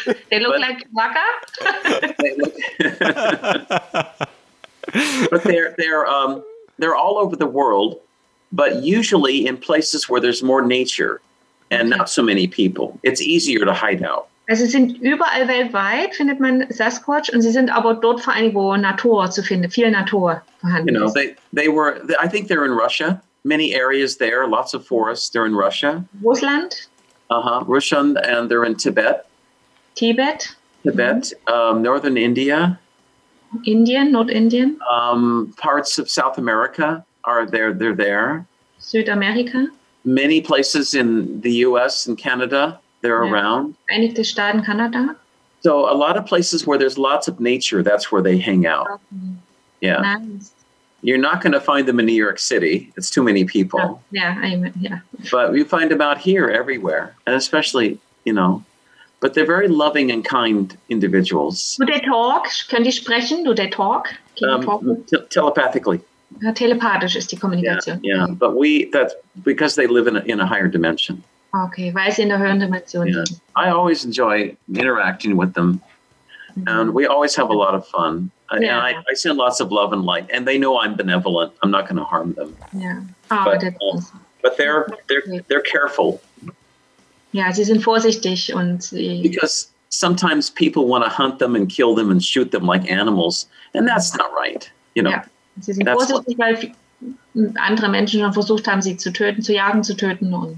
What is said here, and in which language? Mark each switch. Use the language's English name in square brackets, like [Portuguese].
[English] They look like Chewbacca? But they're all over the world, but usually in places where there's more nature and not so many people. It's easier to hide out. [German] Also sie sind überall weltweit, findet man Sasquatch, und sie sind aber dort vor allem, wo Natur zu finden, viel Natur vorhanden ist. [English] You know, I think they're in Russia, many areas there, lots of forests, they're in Russia. [German] Russland. [English] Uh-huh, Russland, and they're in Tibet. Tibet, mm-hmm. Northern India. Indian, not Indian. Parts of South America are there, they're there. [German] Südamerika. [English] Many places in the US and Canada. They're around. [German] Einige Staaten Kanada. [English] So a lot of places where there's lots of nature, that's where they hang out. Yeah. Nice. You're not going to find them in New York City. It's too many people. But you find them out here everywhere. And especially, you know, but they're very loving and kind individuals. Do they talk? [German] Können die sprechen? [English] Do they talk? Telepathically. [German] Telepathisch ist die Kommunikation. [English] Yeah, okay. But that's because they live in a higher dimension. [German] Okay, weil sie in der höheren Dimension sind. [English] I always enjoy interacting with them. Mm-hmm. And we always have a lot of fun. Yeah. And I send lots of love and light. And they know I'm benevolent. I'm not going to harm them. Yeah. Oh, that's awesome. But they're careful. [German] Yeah, sie sind vorsichtig. Because [English] sometimes people want to hunt them and kill them and shoot them like animals. And that's not right. You know? [German] Yeah, sie sind vorsichtig, andere Menschen schon versucht haben, sie zu töten, zu jagen, zu töten.